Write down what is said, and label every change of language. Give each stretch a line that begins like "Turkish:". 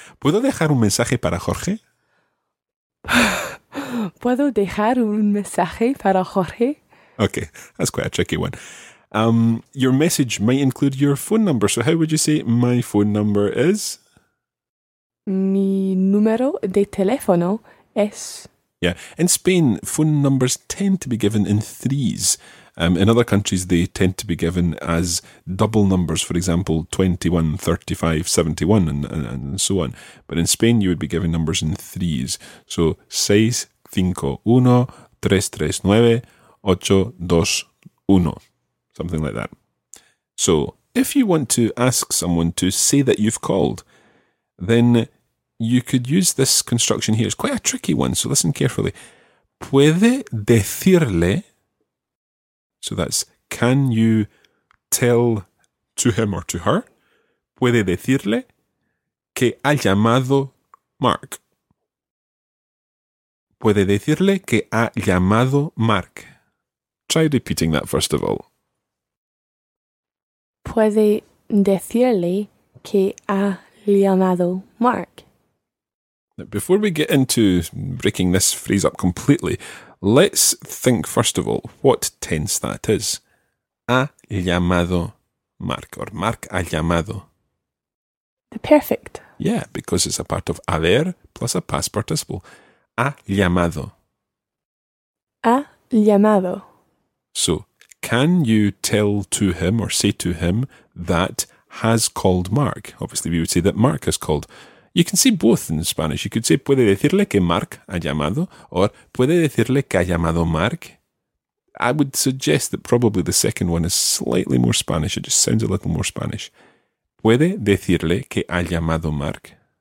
Spanish: ¿Puedo dejar un mensaje para Jorge? ¿Puedo dejar un mensaje para Jorge?
English: Okay, that's quite a tricky one. Your message might include your phone number. So how would you say my phone number is?
Spanish: Mi número de teléfono es...
English: Yeah, in Spain, phone numbers tend to be given in threes. In other countries, they tend to be given as double numbers, for example, 21, 35, 71, and so on. But in Spain, you would be given numbers in threes. So, 6, 5, 1, 3, 3, 9, 8, 2, 1, something like that. So, if you want to ask someone to say that you've called, then you could use this construction here. It's quite a tricky one, so listen carefully.
Spanish: ¿Puede decirle?
English: So that's, can you tell to him or to her?
Spanish: ¿Puede decirle que ha llamado Mark? ¿Puede decirle que ha llamado Mark?
English: Try repeating that first of all.
Spanish: ¿Puede decirle que ha llamado Mark?
English: Before we get into breaking this phrase up completely, let's think, first of all, what tense that is.
Spanish: Ha llamado Mark, or Mark ha llamado.
English: The perfect. Yeah, because it's a part of haber plus a past participle.
Spanish: Ha llamado. Ha llamado.
English: So, can you tell to him or say to him that has called Mark? Obviously, we would say that Mark has called. You can say both in Spanish. You could say,
Spanish: puede decirle que Mark ha llamado,
English: or
Spanish: puede decirle que ha llamado Mark.
English: I would suggest that probably the second one is slightly more Spanish. It just sounds a little more Spanish.
Spanish: Puede decirle que ha llamado Mark.